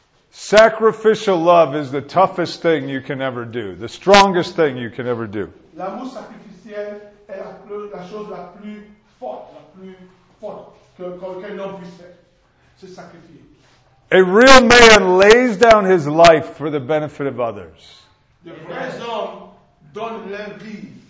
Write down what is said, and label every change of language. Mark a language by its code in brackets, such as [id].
[en] Sacrificial love is the toughest thing you can ever do, the strongest thing you can ever do. [fr] L'amour sacrificiel est la chose la plus forte qu'un homme puisse faire, se sacrifier. [en] A real man lays down his life for the benefit of others. [fr] Le vrai homme donne leur vie.